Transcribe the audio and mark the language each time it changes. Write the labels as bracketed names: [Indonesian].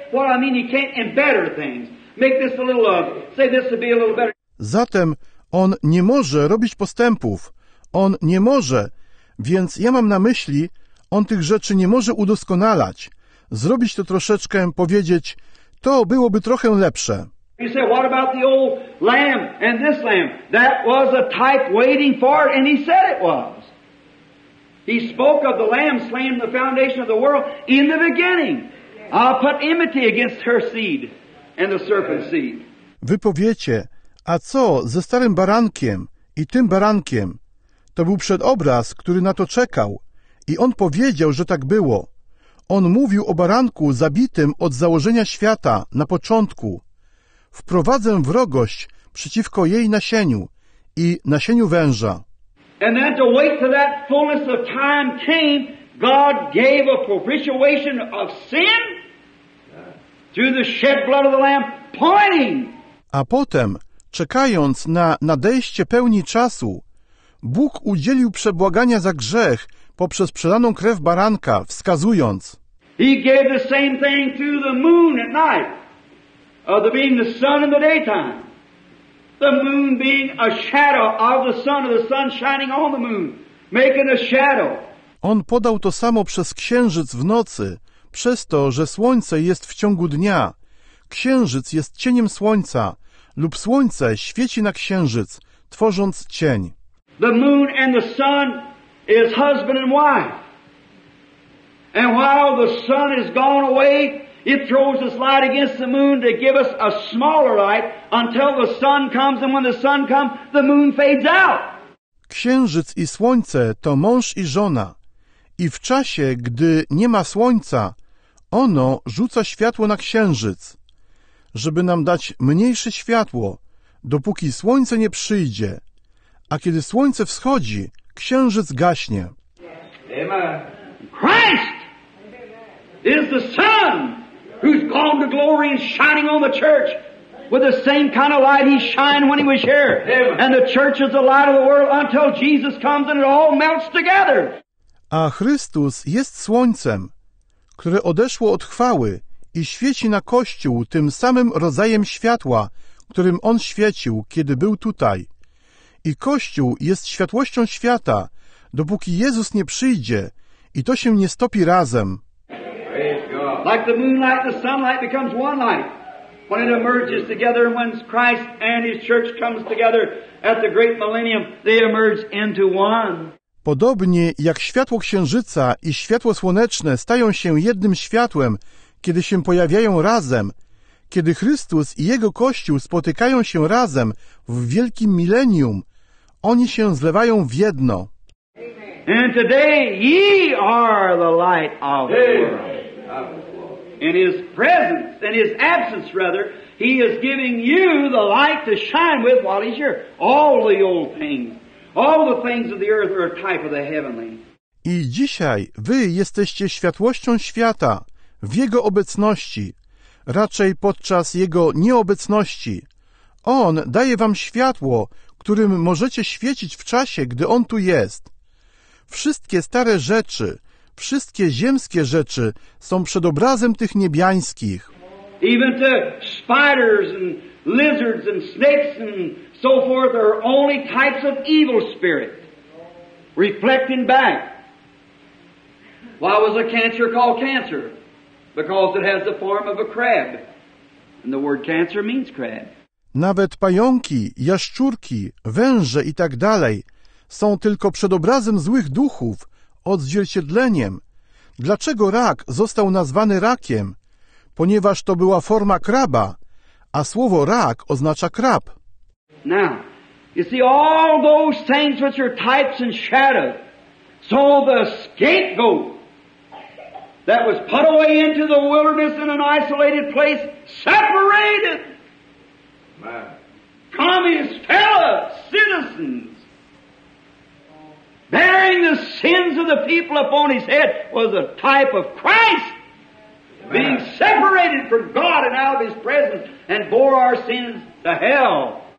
[English] What I mean, he can't in better things. Make this a little of. Say this to be a little better. [Polish] Zatem on nie może robić postępów. On nie może. Więc ja mam na myśli, on tych rzeczy nie może udoskonalać. Zrobić to troszeczkę, powiedzieć, to byłoby trochę lepsze. [English] You say, what about the old lamb and this lamb? That was a type waiting for it, and he said it was. He spoke of the lamb slain the foundation of the world in the beginning. I'll put enmity against her seed and the serpent's seed. [Polish] Wy powiecie, a co ze starym barankiem i tym barankiem? To był przedobraz, który na to czekał. I on powiedział, że tak było. On mówił o baranku zabitym od założenia świata na początku. Wprowadzę wrogość przeciwko jej nasieniu i nasieniu węża. [English] And then to wait till that fullness of time came, God gave a propitiation of sin through the shed blood of the Lamb, pointing. [Polish] A potem, czekając na nadejście pełni czasu, Bóg udzielił przebłagania za grzech poprzez przelaną krew baranka, wskazując. [English] He gave the same thing through the moon at night. Of the being the sun in the daytime. The moon being a shadow of the sun shining on the moon, making a shadow. [Polish] On podał to samo przez księżyc w nocy, przez to, że słońce jest w ciągu dnia. Księżyc jest cieniem słońca, lub słońce świeci na księżyc, tworząc cień. [English] The moon and the sun is husband and wife. And while the sun is gone away, it throws its light against the moon to give us a smaller light until the sun comes, and when the sun comes, the moon fades out. [Polish] Księżyc i słońce to mąż i żona. I w czasie, gdy nie ma słońca, ono rzuca światło na księżyc, żeby nam dać mniejsze światło, dopóki słońce nie przyjdzie. A kiedy słońce wschodzi, księżyc gaśnie. [English] Amen. Christ is the sun. Who's gone to glory and shining on the church with the same kind of light he shined when he was here. Amen. And the church is the light of the world until Jesus comes and it all melts together. [Polish] A Chrystus jest słońcem, które odeszło od chwały i świeci na Kościół tym samym rodzajem światła, którym On świecił, kiedy był tutaj. I Kościół jest światłością świata, dopóki Jezus nie przyjdzie i to się nie stopi razem. [English] Like the moonlight, the sunlight becomes one light. When it emerges together, when Christ and His church comes together at the great millennium, they emerge into one. [Polish] Podobnie jak światło księżyca i światło słoneczne stają się jednym światłem, kiedy się pojawiają razem, kiedy Chrystus i Jego Kościół spotykają się razem w wielkim milenium, oni się zlewają w jedno. [English] And today ye are the light of the world. In His presence, in His absence rather, He is giving you the light to shine with while He's here. All the old things. All the things of the earth are a type of the heavenly. [Polish] I dzisiaj wy jesteście światłością świata w Jego obecności, raczej podczas Jego nieobecności. On daje wam światło, którym możecie świecić w czasie, gdy On tu jest. Wszystkie stare rzeczy, wszystkie ziemskie rzeczy są przed obrazem tych niebiańskich. [English] Even the spiders and lizards and snakes and so forth are only types of evil spirit reflecting back. Why was a cancer called cancer? Because it has the form of a crab. And the word cancer means crab. [Polish] Nawet pająki, jaszczurki, węże i tak dalej są tylko przedobrazem złych duchów, odzwierciedleniem. Dlaczego rak został nazwany rakiem? Ponieważ to była forma kraba, a słowo rak oznacza krab. [English] Now, you see all those things which are types and shadows. So the scapegoat that was put away into the wilderness in an isolated place, separated from his fellow citizens, bearing the sins of the people upon his head, was a type of Christ being separated from God and out of his presence and bore our sins to hell.